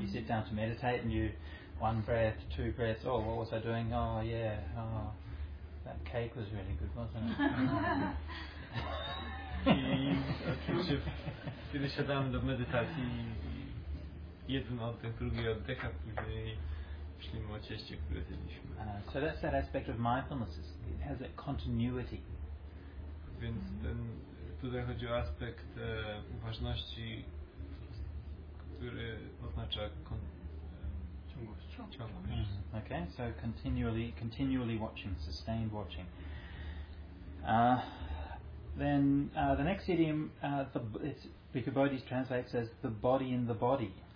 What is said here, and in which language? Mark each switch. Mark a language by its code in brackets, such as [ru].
[en] You sit down to meditate and you, one breath, two breaths, oh, what was I doing? Oh, yeah, oh, that cake was really good, wasn't it? [pl] I oczywiście, kiedy siadałem do medytacji, jeden oddech, drugi oddech, a później myślimy o cieście, które zjedliśmy. [en] So that's that aspect of mindfulness. It has a continuity. [pl] Więc ten, tutaj chodzi o aspekt uważności, który oznacza ciągłość. [en] Okay, so continually watching, sustained watching. Then the next idiom, Bhikkhu Bodhi translates as the body in the body.